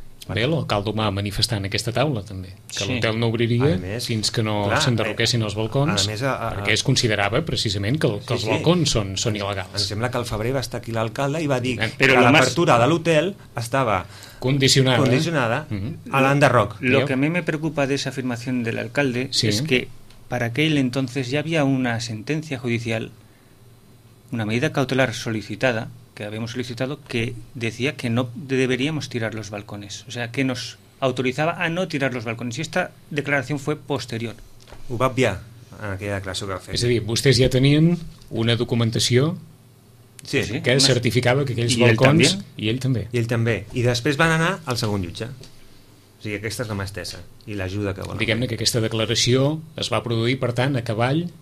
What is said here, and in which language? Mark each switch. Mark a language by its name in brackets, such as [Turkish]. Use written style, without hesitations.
[Catalan] Bé, l'alcalde va manifestar en aquesta taula també, que sí. L'hotel no obriria més, fins que no s'enderroquessin els balcons, perquè es considerava precisament que els balcons són il·legals. Em sembla que al febrer va estar aquí l'alcalde i va dir però que l'apertura de l'hotel estava condicionada a l'enderroc. [Spanish] Lo que a mí me preocupa de esa afirmación del alcalde es que para aquel entonces ya había una sentencia judicial, una medida cautelar solicitada, que habíamos solicitado, que decía que no deberíamos tirar los balcones. O sea, que nos autorizaba a no tirar los balcones. Y esta declaración fue posterior. [Catalan] Ho va obviar en aquella declaració que va fer. És a dir, vostès ja tenien una documentació que certificava que aquells balcons... I ell també. I ell també. I després van anar al segon jutge. O sigui, aquesta és la mà estesa i l'ajuda que volen. Diguem-ne que aquesta declaració es va produir, per tant, a cavall...